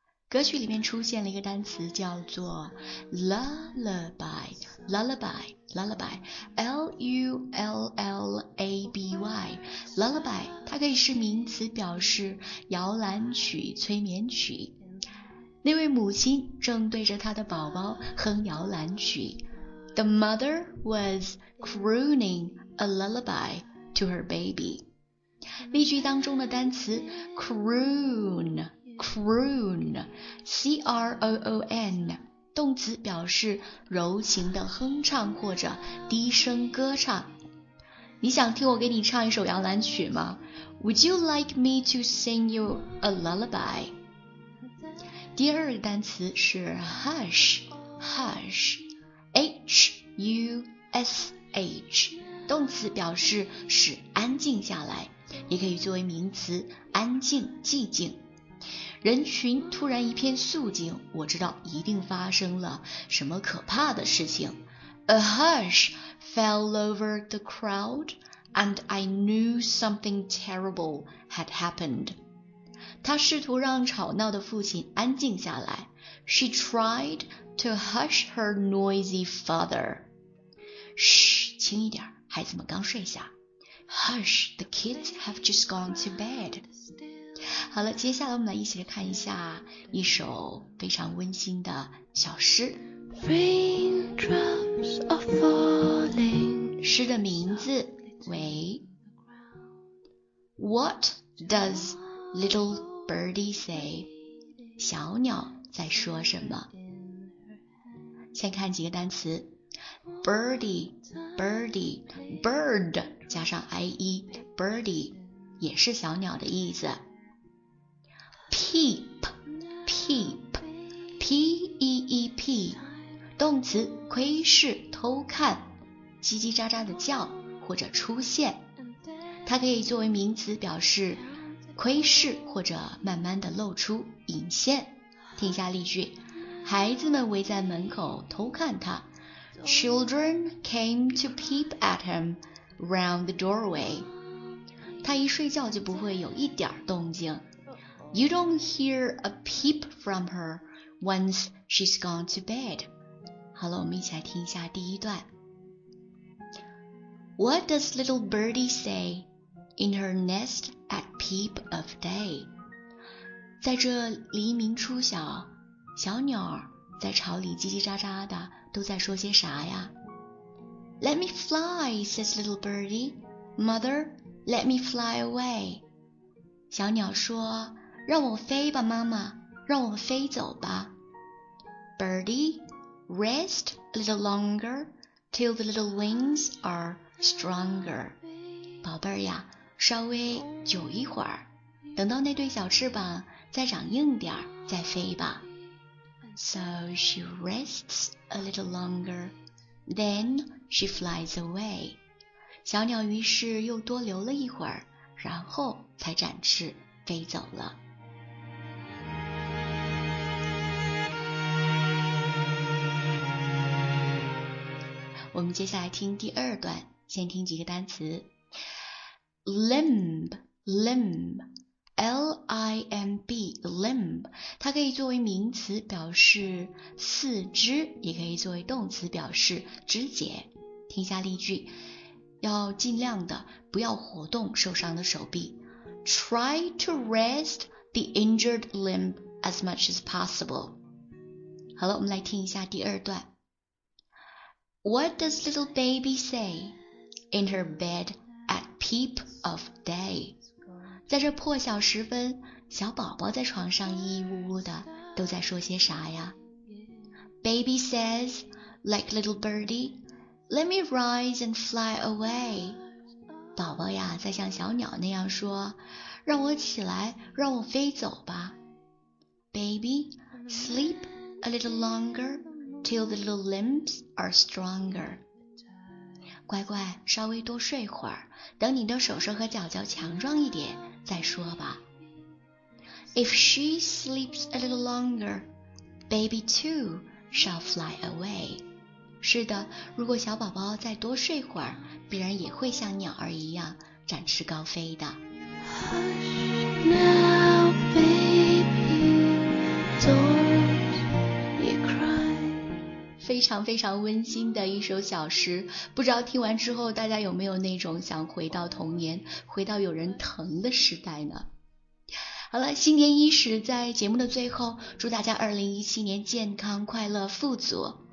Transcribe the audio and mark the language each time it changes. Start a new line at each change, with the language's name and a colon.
Chinese: 歌曲里面出现了一个单词叫做 lullaby L-U-L-L-A-B-Y lullaby， 它可以是名词，表示摇篮曲、催眠曲。那位母亲正对着她的宝宝哼摇篮曲。
English: The mother was crooning a lullaby to her baby。
Chinese: 例句当中的单词
English: croon
Chinese: croon, C-R-O-O-N, 动词表示柔情的哼唱或者低声歌唱。你想听我给你唱一首摇篮曲吗？
English: Would you like me to sing you a lullaby?
Chinese: 第二个单词是 hush, hush, H-U-S-H, 动词表示使安静下来，也可以作为名词安静、寂静。人群突然一片肃静，我知道一定发生了什么可怕的事情。
English: A hush fell over the crowd, and I knew something terrible had happened.
Chinese: 她试图让吵闹的父亲安静下来。
English: She tried to hush her noisy father.
Chinese: 嘘，轻一点，孩子们刚睡下。
English: Hush, the kids have just gone to bed.
Chinese: 好了，接下来我们来一起来看一下一首非常温馨的小诗。
English: Raindrops are falling.
Chinese: 诗的名字为
English: What does little birdie say?
Chinese: 小鸟在说什么？先看几个单词。 Birdie, birdie, bird 加上 ie, birdie 也是小鸟的意思。 Peep, peep, P-E-E-P, 动词窥视、偷看，叽叽喳喳的叫或者出现。它可以作为名词表示窥视或者慢慢的露出、隐现。听一下例句：孩子们围在门口偷看他。
English: Children came to peep at him round the doorway.
Chinese: 他一睡觉就不会有一点动静。
English: You don't hear a peep from her once she's gone to bed.
Chinese: 好了，我们一起来听一下第一段。
English: What does little birdie say in her nest at peep of day?
Chinese: 在这黎明初晓，小鸟在巢里叽叽喳喳的都在说些啥呀？
English: Let me fly, says little birdie. Mother, let me fly away.
Chinese: 小鸟说，让我飞吧，妈妈，让我飞走吧。
English: Birdie, rest a little longer till the little wings are stronger.
Chinese: 宝贝儿呀，稍微久一会儿，等到那对小翅膀再长硬点儿，再飞吧。
English: So she rests a little longer, then she flies away.
Chinese: 小鸟于是又多留了一会儿，然后才展翅飞走了。我们接下来听第二段，先听几个单词。
English: Limb, limb.
Chinese: L-I-M-B, limb, 它可以作为名词表示四肢，也可以作为动词表示肢节。听一下例句，要尽量的不要活动受伤的手臂。
English: Try to rest the injured limb as much as possible.
Chinese: 好了，我们来听一下第二段。
English: What does little baby say in her bed at peep of day?
Chinese: 在这破晓时分，小宝宝在床上咿咿呜呜的，都在说些啥呀？
English: Baby says, like little birdie, let me rise and fly away.
Chinese: 宝宝呀，在像小鸟那样说，让我起来，让我飞走吧。
English: Baby, sleep a little longer till the little limbs are stronger.
Chinese: 乖乖，稍微多睡会儿，等你的手手和脚脚强壮一点再说吧。
English: If she sleeps a little longer, baby too shall fly away.
Chinese: 是的，如果小宝宝再多睡会儿，必然也会像鸟儿一样展翅高飞的。
English: Hush now, baby, don't you cry.
Chinese: 非常非常温馨的一首小诗，不知道听完之后大家有没有那种想回到童年，回到有人疼的时代呢？好了，新年伊始，在节目的最后，祝大家2017年健康快乐富足。